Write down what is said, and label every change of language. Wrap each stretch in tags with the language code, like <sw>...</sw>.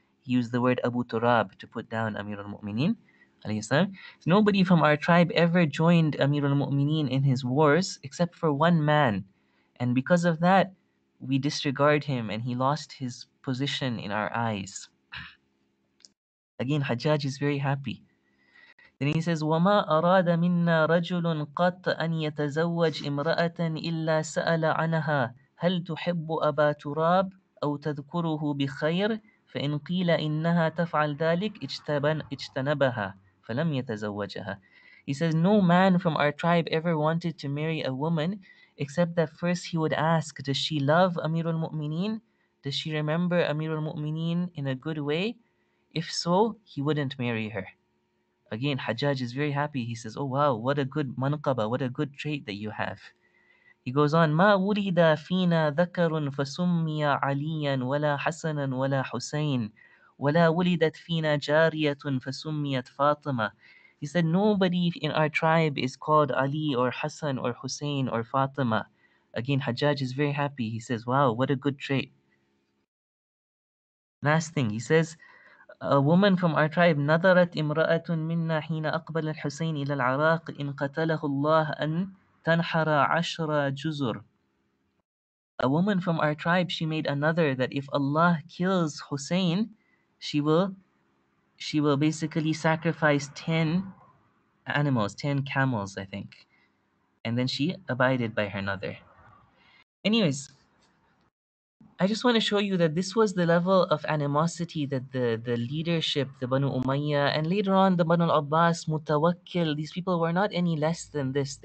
<en>He used the word Abu Turab to put down Amir al-Mu'mineen. Nobody from our tribe ever joined Amir al-Mu'mineen in his wars except for one man. And because of that, we disregard him and he lost his position in our eyes. Again, Hajjaj is very happy. Then he says,</en> <ar>وَمَا أَرَادَ مِنَّا رَجُلٌ قَطْ أَن يَتَزَوَّجْ إِمْرَأَةً إِلَّا سَأَلَ عَنَهَا هل تحب أبا تراب أو تذكره بخير فإن قيل إنها تفعل ذلك اجتنبها فلم يتزوجها.</ar> <en>He says, no man from our tribe ever wanted to marry a woman except that first he would ask, does she love Amir al-Mu'mineen? Does she remember Amir al-Mu'mineen in a good way? If so, he wouldn't marry her. Again, Hajjaj is very happy. He says, oh wow, what a good manqaba, what a good trait that you have. He goes on,</en> <ar>ما ولد فينا ذكر فسمي عليا ولا حسنا ولا حسين ولا ولدت فينا جارية فسميت فاطمة.</ar> <en>He said, nobody in our tribe is called Ali or Hassan or Hussein or Fatima. Again, Hajjaj is very happy. He says, wow, what a good trait. Last thing, he says, a woman from our tribe,</en> <ar>نظرت امرأة منا حين أقبل الحسين إلى العراق إن قتله الله أن تنحر عشر جزر.</ar> <en>A woman from our tribe, she made another that if Allah kills Hussein, she will basically sacrifice 10 animals, 10 camels, I think. And then she abided by her nadhr. Anyways, I just want to show you that this was the level of animosity that the leadership, the Banu Umayyah, and later on the Banu al-Abbas, Mutawakkil, these people were not any less than this.</en>